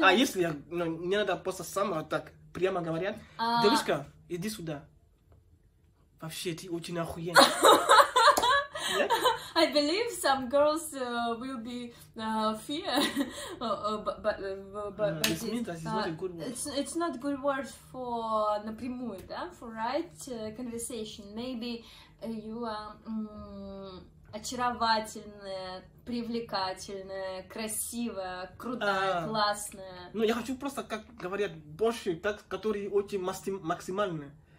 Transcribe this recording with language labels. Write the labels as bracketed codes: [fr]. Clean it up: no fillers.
[ru] А если я, ну, не надо просто сам, а так прямо говорят, девушка, иди сюда. Вообще, ты очень охуенно. Нет? [en] I believe some girls will be fear, but This means that it's not a good word. It's not a good word for [ru] напрямую, да? [en] For right conversation. Maybe you are [ru] очаровательная, привлекательная, красивая, крутая, классная. Ну, я хочу просто, как говорят, больше, так, которые очень максимальные.